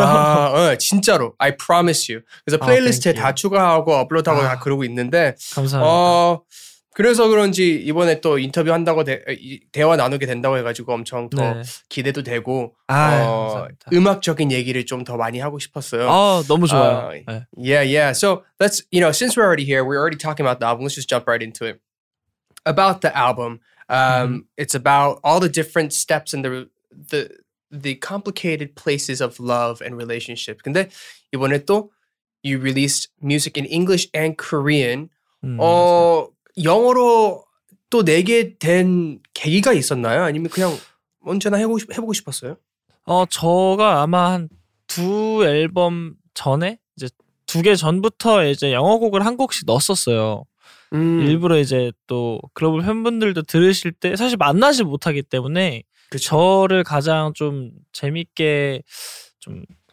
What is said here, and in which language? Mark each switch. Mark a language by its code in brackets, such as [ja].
[ko] 와, 진짜로 [en] I promise you. [ko] 그래서 플레이리스트에 다 추가하고 업로드하고 다 그러고 있는데 감사합니다. 그래서 그런지 이번에 또 인터뷰 한다고 대화 나누게 된다고 해가지고 엄청 더 네. 기대도 되고 감사합니다. 음악적인 얘기를 좀 더 많이 하고 싶었어요. 아 너무 좋아요. 예예. [en] 네. Yeah, yeah. So let's you know since we're already here, we're already talking about the album. Let's just jump right into it. About the album, it's about all the different steps and the complicated places of love and relationship. [ko] 근데 이번에 또 [en] you released music in English and Korean. [ko] 영어로 또 내게 된 계기가 있었나요? 아니면 그냥 언제나 해보고 싶었어요? 제가 아마 한 두 앨범 전에 이제 두 개 전부터 이제 영어 곡을 한 곡씩 넣었었어요. 일부러 이제 또 글로벌 팬분들도 들으실 때 사실 만나지 못하기 때문에 그쵸. 저를 가장 좀 재밌게 좀